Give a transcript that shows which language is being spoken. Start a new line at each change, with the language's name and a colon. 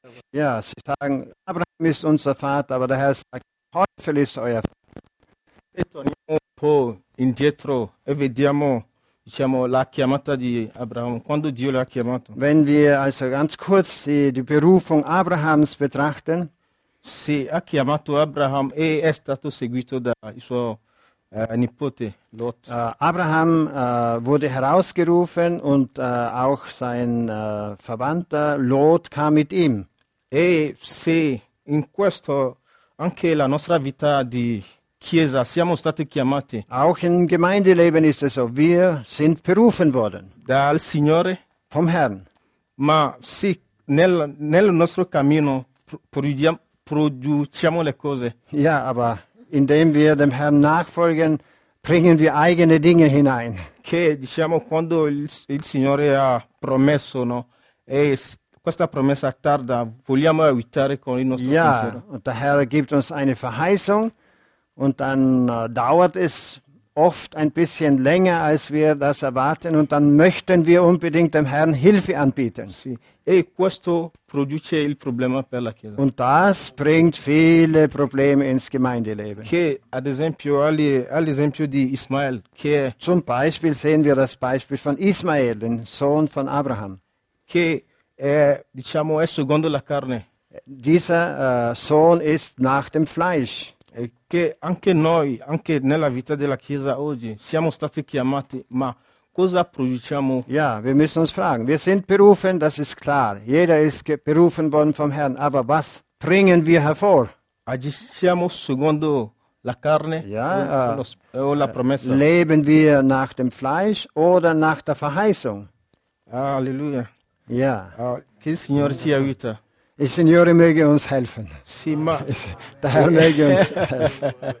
German: Ja, sie sagen, Abraham ist unser Vater, aber der Herr sagt, Teufel ist euer Vater.
Italian: Torniamo un po' indietro e vediamo, diciamo, la chiamata di Abraham. Quando Dio l'ha chiamato?
German: Wenn wir also ganz kurz die Berufung Abrahams betrachten.
Italian: Sì, ha chiamato Abraham e è stato seguito da il suo nipote Lot.
German: Abraham wurde herausgerufen und auch sein Verwandter Lot kam mit ihm.
Italian: E sì, in questo anche la nostra vita di chiesa siamo stati chiamati.
German: Auch im Gemeindeleben ist es so, wir sind berufen worden.
Italian: Dal Signore.
German: Vom Herrn.
Italian: Ma sì, nel nostro cammino produciamo le cose.
German: Ja, aber indem wir dem Herrn nachfolgen, bringen wir eigene Dinge hinein.
Italian: Che, diciamo, quando il Signore ha promesso, no? E questa promessa tarda, vogliamo evitare con il nostro pensiero.
German: Ja, und der Herr gibt uns eine Verheißung und dann dauert es oft ein bisschen länger, als wir das erwarten und dann möchten wir unbedingt dem Herrn Hilfe anbieten.
Italian: Sì. E questo produce il problema per la Chiesa.
German: Und das bringt viele Probleme ins Gemeindeleben.
Italian: Che, ad esempio, all'esempio di Ismael, che
German: zum Beispiel sehen wir das Beispiel von Ismael, den Sohn von Abraham.
Italian: Che è, diciamo, è secondo la carne.
German: Dieser Sohn ist nach dem Fleisch.
Italian: E che anche noi, anche nella vita della Chiesa oggi, siamo stati chiamati, ma cosa produciamo?
German: Ja, wir müssen uns fragen. Wir sind berufen, das ist klar. Jeder ist berufen worden vom Herrn. Aber was bringen wir hervor?
Italian: Agiamo secondo la carne o la promessa?
German: Leben wir nach dem Fleisch oder nach der Verheißung? Alleluia. Ja.
Italian: Che il Signore ci aiuta. Il Signore
German: möge uns helfen.
Italian: Sì, ma
German: der Herr möge uns helfen.